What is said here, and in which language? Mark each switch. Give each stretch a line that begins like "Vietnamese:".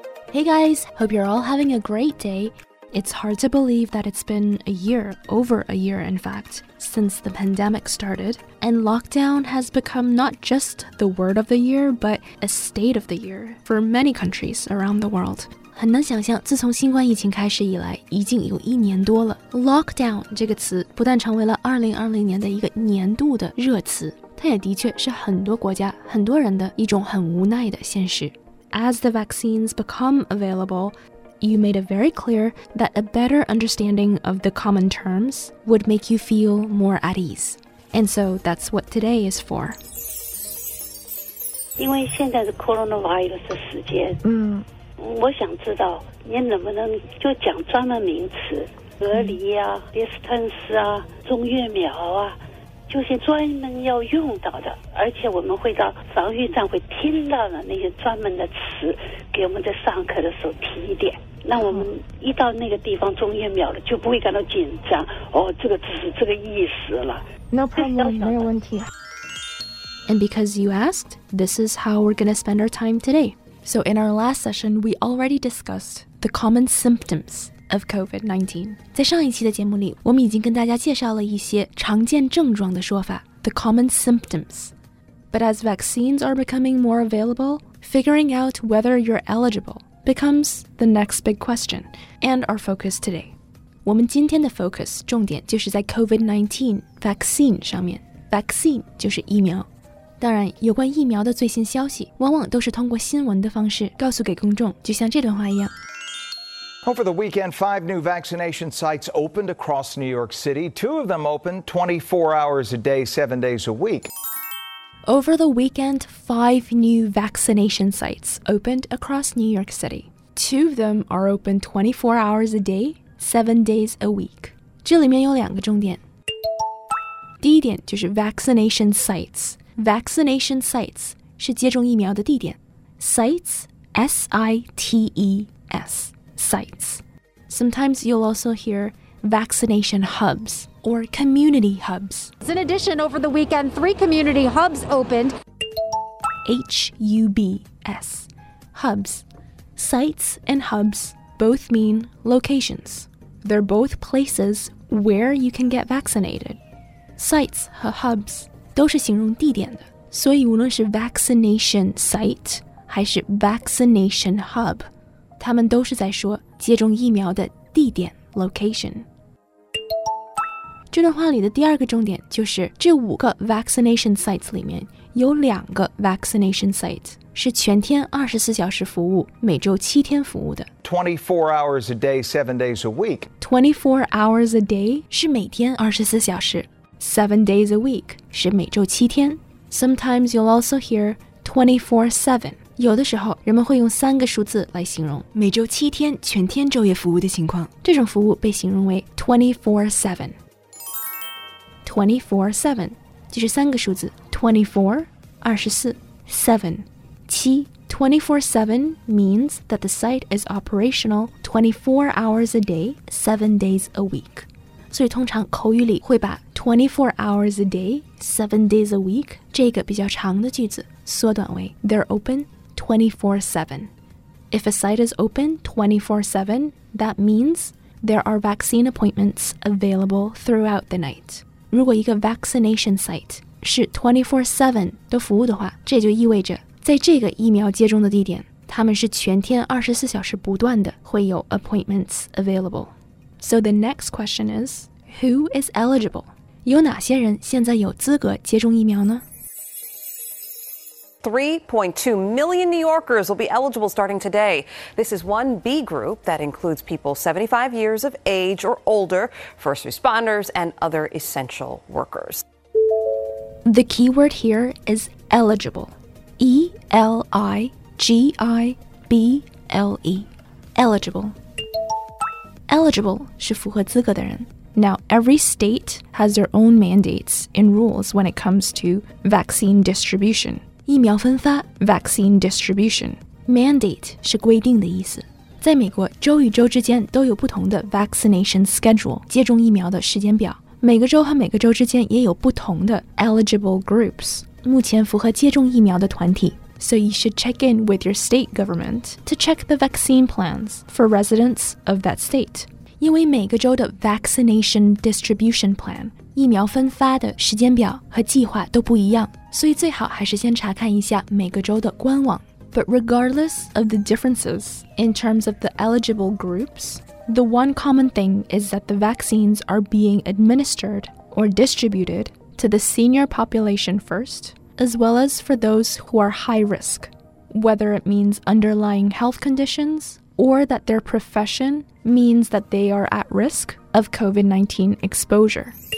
English: Hey guys, hope you're all having a great day. It's hard to believe that it's been a year, over a year in fact, since the pandemic started, and lockdown has become not just the word of the year, but a state of the year for many countries around the world.
Chinese: 很难想象，自从新冠疫情开始以来，已经有一年多了。 Lockdown 这个词不但成为了2020年的一个年度的热词，它也的确是很多国家、很多人的一种很无奈的现实。
English: As the vaccines become available, you made it very clear that a better understanding of the common terms would make you feel more at ease. And so that's what today is for.
Chinese: 因为现在是 coronavirus 的时间，我想知道您能不能就讲专门名词，隔离啊、distance 啊、中越苗啊，就是专门要用到的，而且我们会到防御站会听到的那些专门的词，给我们在上课的时候提一点。那我们一到那个地方中越苗了，就不会感到紧张。哦，这个词是这个意思了。
English: No problem，
Chinese: 没有问题。
English: And because you asked, this is how we're going to spend our time today. So in our last session, we already discussed the common symptoms of COVID-19.
Chinese: 在上一期的节目里，我们已经跟大家介绍了一些常见症状的说法，
English: the common symptoms. But as vaccines are becoming more available, figuring out whether you're eligible becomes the next big question and our focus today.
Chinese: 我们今天的 focus 重点就是在 COVID-19 vaccine 上面。 Vaccine 就是疫苗。当然，有关疫苗的最新消息，往往都是通过新闻的方式告诉给公众，就像这段话一样。
English: Over the weekend, 5 new vaccination sites opened across New York City. 2 of them open 24 hours a day, 7 days a week. Over the weekend, 5 new vaccination sites opened across New York City. 2 of them are open 24 hours a day, 7 days a week.
Chinese: 这里面有两个重点。第一点就是 vaccination sites. Vaccination sites 是接种疫苗的地点。
English: Sites, S-I-T-E-S, sites. Sometimes you'll also hear vaccination hubs or community hubs. In addition, over the weekend, 3 community hubs opened. H-U-B-S, hubs. Sites and hubs both mean locations. They're both places where you can get vaccinated. Sites 和 hubs.
Chinese: 都是形容地点的，所以无论是 vaccination site 还是 vaccination hub， 他们都是在说接种疫苗的地点 location。这段话里的第二个重点就是，这五个 vaccination sites 里面有两个 vaccination site 是全天24小时服务，每周7天服务的。
English: 24 hours a day, 7 days a week. 24 hours a day
Chinese: 是每天24小时。
English: 7 days a week
Chinese: 是每周七天。
English: Sometimes you'll also hear 24/7.
Chinese: 有的时候人们会用三个数字来形容每周七天全天昼夜服务的情况。这种服务被形容为 24/7. 24/7 就是三个数字 24/7.
English: 24/7 means that the site is operational 24 hours a day, 7 days a week.
Chinese: 所以通常口语里会把
English: 24 hours a day, 7 days a week
Chinese: 这个比较长的句子缩短为
English: They're open 24/7. If a site is open 24/7, that means there are vaccine appointments available throughout the night.
Chinese: 如果一个 vaccination site 是 24/7 的服务的话，这就意味着在这个疫苗接种的地点，他们是全天24小时不断的会有
English: appointments available. So the next question is, who is eligible?
Chinese: 有哪些人现在有资格接种疫苗呢？
English: 3.2 million New Yorkers will be eligible starting today. This is 1B group that includes people 75 years of age or older, first responders, and other essential workers. The key word here is eligible. E-L-I-G-I-B-L-E. Eligible.
Chinese: Eligible 是符合资格的人。
English: Now, every state has their own mandates and rules when it comes to vaccine distribution.
Chinese: 疫苗分发
English: Vaccine distribution.
Chinese: Mandate 是规定的意思。在美国，州与州之间都有不同的 vaccination schedule, 接种疫苗的时间表。每个州和每个州之间也有不同的 eligible groups, 目前符合接种疫苗的团体。
English: So you should check in with your state government to check the vaccine plans for residents of that state.
Chinese: 因为每个州的 vaccination distribution plan, 疫苗分发的时间表和计划都不一样。所以最好还是先查看一下每个州的官网。
English: But regardless of the differences in terms of the eligible groups, the one common thing is that the vaccines are being administered or distributed to the senior population first, as well as for those who are high risk, whether it means underlying health conditions or that their profession means that they are at risk of COVID-19 exposure.